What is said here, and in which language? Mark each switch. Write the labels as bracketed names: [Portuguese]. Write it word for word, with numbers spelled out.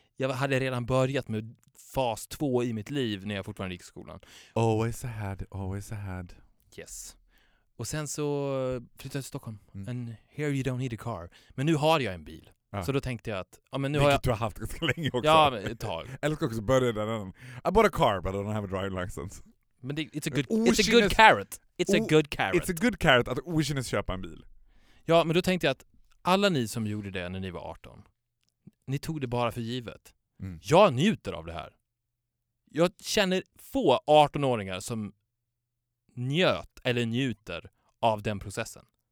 [Swedish] Jag hade redan börjat med fas två i mitt liv när jag fortfarande gick i skolan. [English] Always ahead, always ahead. Yes. [Swedish] Och sen så flyttade jag till Stockholm. Mm. [English] And here you don't need a car. [Swedish] Men nu har jag en bil. Ja. Så då tänkte jag att... Ja, men nu vilket har jag... du har haft ganska länge också. Ja, men ett tag. Eller ska också börja där. [English] I bought a car but I don't have a driving license. [Swedish] Men det, [English] it's, a good, oh, it's a good carrot. It's oh, a good carrot. It's a good carrot [Swedish] att okynnes köpa en bil. Ja, men då tänkte jag att alla ni som gjorde det när ni var arton... Ni tog det bara för givet. Mm. Jag njuter av det här. Jag känner få arton-åringar som njöt eller njuter av den processen.